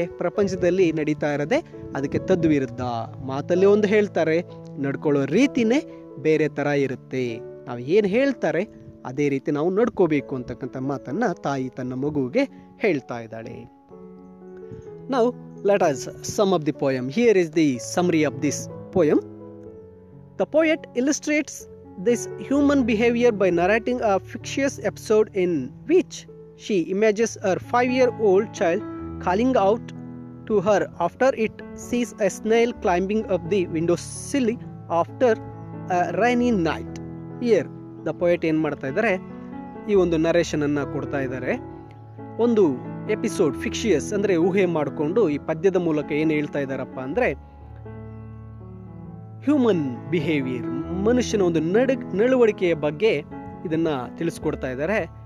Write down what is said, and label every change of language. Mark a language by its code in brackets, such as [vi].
[kn] ಪ್ರಪಂಚದಲ್ಲಿ ನಡೀತಾ ಇರೋದೆ ಅದಕ್ಕೆ ತದ್ವಿರುದ್ಧ. ಮಾತಲ್ಲಿ ಒಂದು ಹೇಳ್ತಾರೆ, ನಡ್ಕೊಳ್ಳೋ ರೀತಿನೇ ಬೇರೆ ಥರ ಇರುತ್ತೆ. ನಾವು ಏನು ಹೇಳ್ತಾರೆ ಅದೇ ರೀತಿ ನಾವು ನಡ್ಕೋಬೇಕು ಅಂತಕ್ಕಂಥ ಮಾತನ್ನು ತಾಯಿ ತನ್ನ ಮಗುವಿಗೆ ಹೇಳ್ತಾ ಇದ್ದಾಳೆ. [en] Now let us sum up the poem. Here is the summary of this poem. The poet illustrates this human behavior by narrating a fictitious episode in which she imagines her 5-year-old child calling out to her after it sees a snail climbing up the windowsill after a rainy night. Here the poet [kn] en martta idare ee ondu narration anna kodta idare ಒಂದು episode ಫಿಕ್ಷಿಯಸ್ ಅಂದರೆ ಊಹೆ ಮಾಡಿಕೊಂಡು ಈ ಪದ್ಯದ ಮೂಲಕ ಏನು ಹೇಳ್ತಾ ಇದ್ದಾರಪ್ಪ ಅಂದರೆ ಹ್ಯೂಮನ್ ಬಿಹೇವಿಯರ್, ಮನುಷ್ಯನ ಒಂದು ನಡವಳಿಕೆಯ ಬಗ್ಗೆ ಇದನ್ನು ತಿಳಿಸ್ಕೊಡ್ತಾ ಇದ್ದಾರೆ.